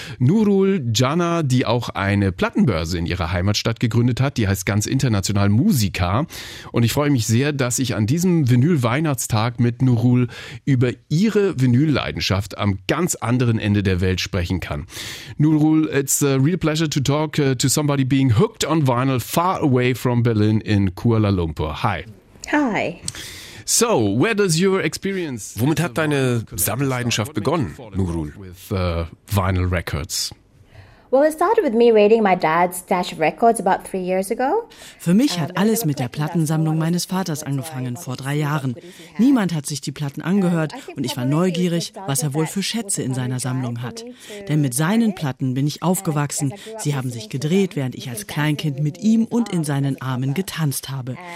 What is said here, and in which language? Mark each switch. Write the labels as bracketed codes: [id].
[de] Nurul Jana, die auch eine Plattenbörse in ihrer Heimatstadt gegründet hat, die heißt ganz international Musica. Und ich freue mich sehr, dass ich an diesem Vinyl-Weihnachtstag mit Nurul über ihre Vinyl-Leidenschaft am ganz anderen Ende der Welt sprechen kann. [en] Nurul, it's a real pleasure to talk to somebody being hooked on vinyl far away from Berlin in Kuala Lumpur. Hi. Hi. So, where does your experience? [de] Womit hat deine Sammelleidenschaft begonnen, Nurul? [en] With vinyl records. Well, it started with me raiding my dad's stash of records about 3 years ago. [de] Für mich hat alles mit der Plattensammlung meines Vaters angefangen, vor 3 Jahren. Niemand hat sich die Platten angehört und ich war neugierig, was er wohl für Schätze in seiner Sammlung hat. Denn mit seinen Platten bin ich aufgewachsen. Sie haben sich gedreht, während ich als Kleinkind mit ihm und in seinen Armen getanzt habe.